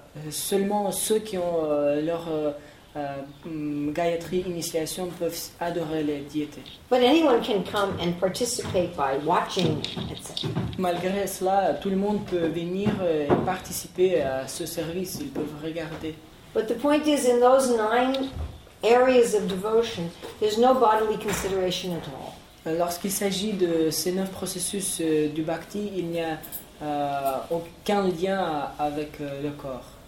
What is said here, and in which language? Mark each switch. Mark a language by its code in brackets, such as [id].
[fr] Seulement ceux qui ont leur Gayatri initiation peuvent adorer les diétés. [en] But anyone can come and participate by watching, etc. [fr] Malgré cela, tout le monde peut venir et participer à ce service. Ils peuvent regarder. [en] But the point is, in those 9 areas of devotion, there's no bodily consideration at all. [fr] Lorsqu'il s'agit de ces 9 processus du bhakti, il n'y a aucun lien avec le corps.